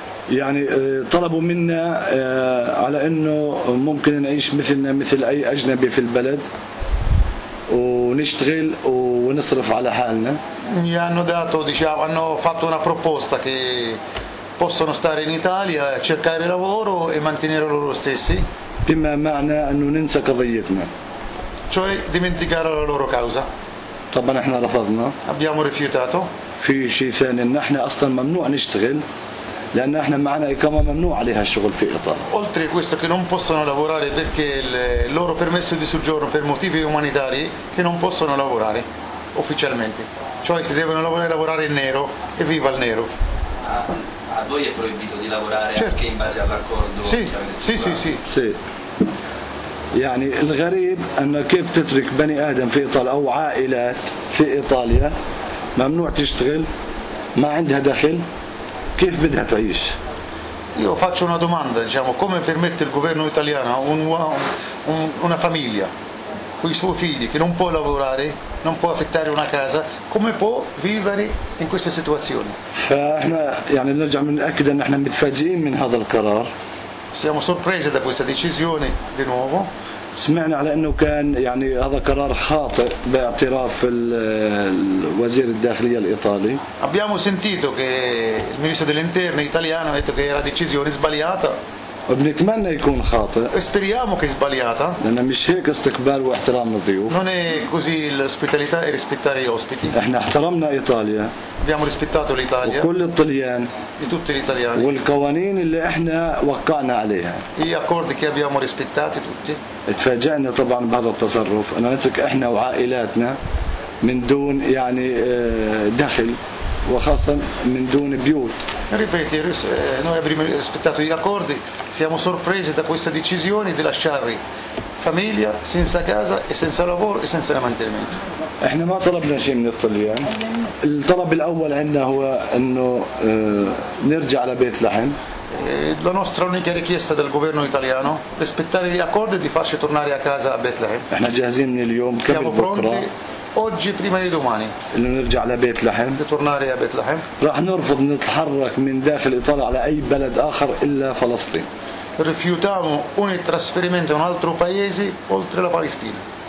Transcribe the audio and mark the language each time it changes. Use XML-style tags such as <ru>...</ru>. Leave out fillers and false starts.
<ar>يعني طلبوا منا على انه ممكن نعيش مثلنا مثل اي اجنبي في البلد ونشتغل ونصرف على حالنا.</ar> <it>Gli hanno dato, diciamo, hanno fatto una proposta che possono stare in Italia, cercare lavoro e mantenere loro stessi.</it> <ar>بما معنى انه ننسى قضيتنا.</ar> <it>Cioè dimenticare la loro causa.</it> <ar>طبعا احنا رفضنا.</ar> <it>Abbiamo rifiutato.</it> <ar>في شيء ثاني ان احنا اصلا ممنوع نشتغل. لأن احنا معنا إقامة ممنوع عليها الشغل في إطار.</ar> <it>Oltre questo che non possono lavorare perché il loro permesso di soggiorno per motivi umanitari che non possono lavorare ufficialmente. Cioè si devono lavorare in nero e viva il nero. A voi è proibito di lavorare certo. Anche in base all'accordo. Sì, sì, sì, sì, sì.</it> <ar>يعني الغريب أن كيف تترك بني آدم في إيطاليا أو عائلات في إيطاليا ممنوع تشتغل ما عندها دخل. كيف بدها تعيش؟</ar> <it>Io faccio una domanda, diciamo, come permette il governo italiano una famiglia con i suoi figli che non può lavorare, non può affittare una casa, come può vivere in queste situazioni?</it> <ar>احنا يعني نرجع بنأكد ان احنا متفاجئين من هذا القرار.</ar> <it>Siamo sorpresi da questa decisione di nuovo.</it> <ar>سمعنا على انه كان يعني هذا قرار خاطئ باعتراف الوزير الداخليه الايطالي.</ar> <it>Abbiamo sentito che il ministro dell'interno italiano ha detto che era decisione sbagliata.</it> <ar>بنتمنى يكون خاطئ.</ar> <it>Speriamo che sbagliata.</it> <ar>لان مش هيك استقبال واحترام الضيوف.</ar> <it>Non è così l'ospitalità e rispettare gli ospiti.</it> <ar>احنا احترمنا ايطاليا.</ar> <it>Abbiamo rispettato l'Italia.</it> <ar>وكل الطليان.</ar> <it>E tutti gli italiani.</it> <ar>والقوانين اللي احنا وقعنا عليها.</ar> <it>Gli accordi che abbiamo rispettati tutti.</it> <ar>اتفاجئنا طبعا بهذا التصرف ان نترك احنا وعائلاتنا من دون يعني دخل وخاصة من دون بيوت.</ar> <it>Ripeti, noi abbiamo rispettato gli accordi, siamo sorpresi da questa decisione di lasciare famiglia senza casa e senza lavoro e senza mantenimento.</it> <ar>احنا ما طلبنا شيء من الطليان. الطلب الاول عندنا هو انه نرجع لبيت لحم.</ar> <it>La nostra unica richiesta del governo italiano è rispettare gli accordi e di farci tornare a casa a Betlehem.</it> <ar>احنا جاهزين اليوم قبل بكره.</ar> <it>Siamo pronti oggi prima di domani.</it> <ar>نرجع لبيت لحم.</ar> <it>Di tornare a Betlehem.</it> <ar>راح نرفض نتحرك من داخل ايطاليا على اي بلد اخر الا فلسطين.</ar> <it>Rifiutiamo ogni trasferimento in un altro paese oltre la Palestina.</it>